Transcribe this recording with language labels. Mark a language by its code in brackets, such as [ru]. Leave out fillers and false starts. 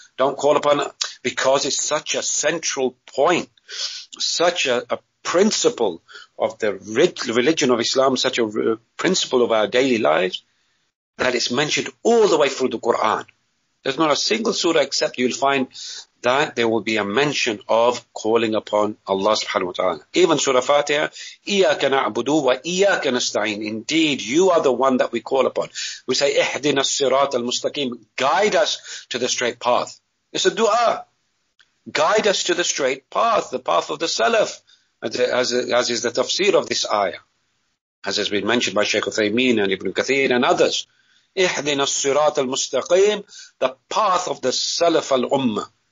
[en] Don't call upon, because it's such a central point, such a principle of the religion of Islam, such a principle of our daily lives, that it's mentioned all the way through the Quran. There's not a single surah except you'll find that there will be a mention of calling upon Allah subhanahu wa ta'ala. [ar] Even Surah Fatiha, إِيَّاكَ نَعْبُدُ وَإِيَّاكَ نَسْتَعِينَ. [en] Indeed, you are the one that we call upon. We say, [ar] اِحْدِنَا الصِّرَاطَ الْمُسْتَقِيمِ. [en] Guide us to the straight path. It's a dua. Guide us to the straight path, the path of the Salaf, as is the tafsir of this ayah, as has been mentioned by Shaykh Uthaymeen and Ibn Kathir and others. [ar] Ihdina as-sirat al-mustaqim, [en] the path of the Salaf al-Ummah.